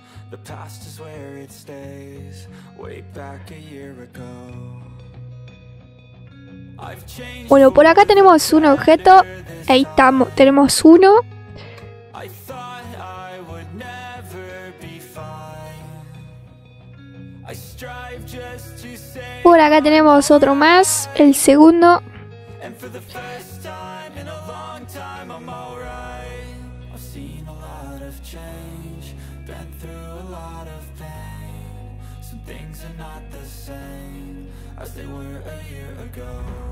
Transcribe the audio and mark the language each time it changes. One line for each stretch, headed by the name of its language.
English: The past is where it stays, way back a year ago.
Spanish: Bueno, por acá tenemos un objeto. Ahí estamos, tenemos uno.
English: I thought I would never be fine. I strive just to say.
Spanish: Por acá tenemos otro más, el segundo.
English: And for the first time in a long time I'm alright. I've seen a lot of change. Been through a lot of pain. Some things are not the same as they were a year ago.